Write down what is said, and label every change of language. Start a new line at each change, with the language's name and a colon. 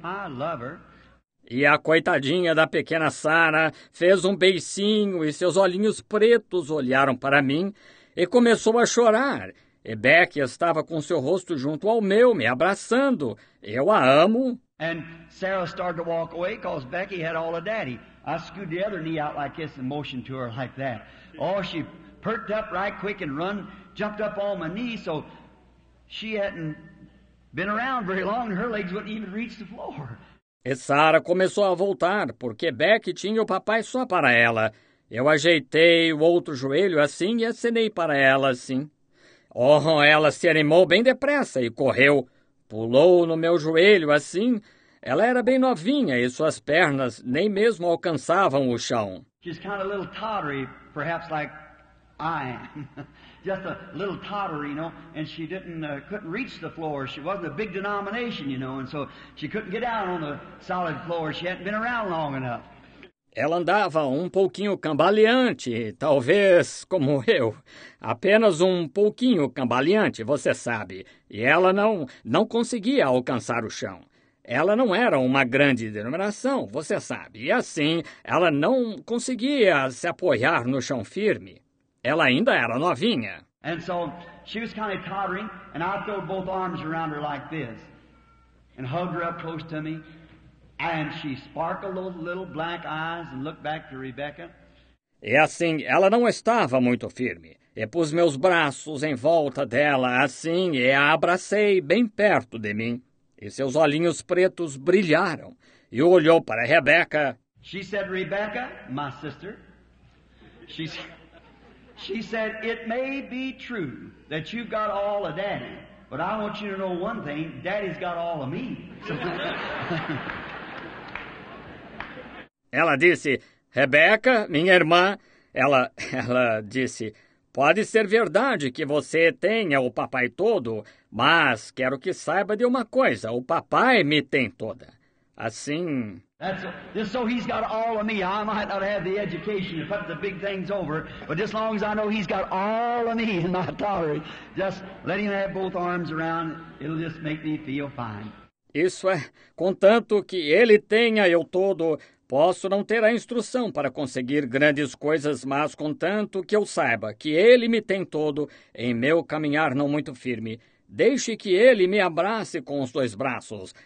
English: I love her.
Portuguese: E a coitadinha da pequena Sarah fez um beicinho e seus olhinhos pretos olharam para mim e começou a chorar. E Becky estava com seu rosto junto ao meu, me abraçando. Eu a amo.
English: And Sarah started to walk away because Becky had all of daddy. I scooted the other knee out like this and motioned to her like that. Oh, she perked up right quick and run, jumped up on my knee, so she hadn't been around very long and her legs wouldn't even reach the floor.
Portuguese: E Sarah começou a voltar, porque Becky tinha o papai só para ela. Eu ajeitei o outro joelho assim e acenei para ela assim. Oh, ela se animou bem depressa e correu. Pulou no meu joelho assim. Ela era bem novinha e suas pernas nem mesmo alcançavam o chão.
English: She's kind of a little tottery, perhaps like I am. Just a little tottery, you know, and she didn't couldn't reach the floor. She wasn't a big denomination, you know, and so she couldn't get down on the solid floor. She hadn't been around long enough.
Portuguese: Ela andava um pouquinho cambaleante, talvez como eu. Apenas um pouquinho cambaleante, você sabe. E ela não conseguia alcançar o chão. Ela não era uma grande denominação, você sabe. E assim, ela não conseguia se apoiar no chão firme. Ela ainda era novinha.
English: And so she was kind of tottering, and I threw both arms around her like this, and hugged her up close to me, and she sparkled those little black eyes and looked back to Rebecca.
Portuguese: E assim, ela não estava muito firme. E pus meus braços em volta dela, assim, e a abracei bem perto de mim. E seus olhinhos pretos brilharam. E olhou para Rebecca.
English: She said, Rebecca, my sister, she said, it may be true that you've got all of daddy, but I want you to know one thing, daddy's got all of me.
Portuguese: Ela disse, Rebecca, minha irmã, ela disse, pode ser verdade que você tenha o papai todo, mas quero que saiba de uma coisa, o papai me tem toda. Assim...
English: Just so he's got all of me. I might not have the education to put the big things over, but just as long as I know he's got all of me in my tottery, just let him have both arms around, it'll just make me feel fine.
Portuguese: Isso é, contanto que ele tenha eu todo, posso não ter a instrução para conseguir grandes coisas, mas contanto que eu saiba que ele me tem todo em meu caminhar não muito firme, deixe que ele me abrace com os dois braços.